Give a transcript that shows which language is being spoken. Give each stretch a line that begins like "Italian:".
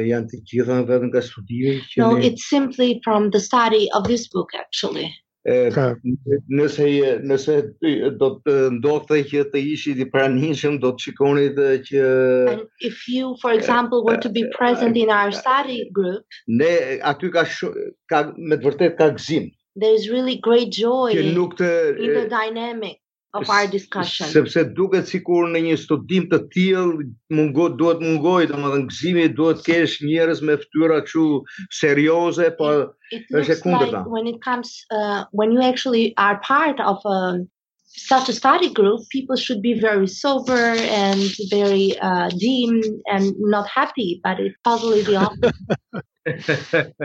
English: No, it's simply from the study of this book, actually.
Albanian: Nëse do të ndodhte që të ishit i pranishëm, do të shikoni të që...
English: And if you, for example, were to be present in our study group,
Albanian: ne, aty ka me të vërtet ka gëzim.
English: There is really great joy in the dynamic of our discussion.
Albanian: Sepse duket sikur në një studim të tillë duhet mungoj, domethënë gëzimi duhet kesh njerëz me fytyra kështu serioze, po është e kundërta.
English: Like when it comes when you actually are part of such a study group, people should be very sober and very dim and not happy, but it's totally the opposite.